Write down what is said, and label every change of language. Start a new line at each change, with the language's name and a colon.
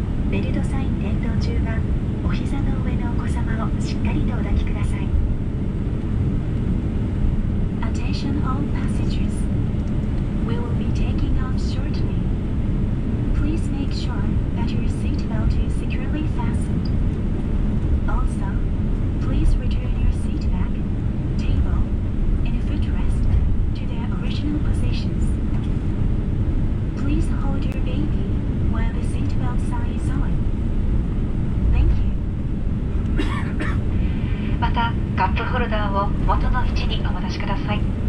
Japanese: ベルトサイン点灯中はお膝の上のお子様をしっかりとお抱きください。
English: Attention all passengers. We will be taking off shortly. Please make sure that your seat belt is securely fastened. Also, please return your seat back, table, and footrest to their original positions. Please hold your baby while the seat belt sign is on. Thank you.
Japanese: またカップホルダーを元の位置にお戻しください。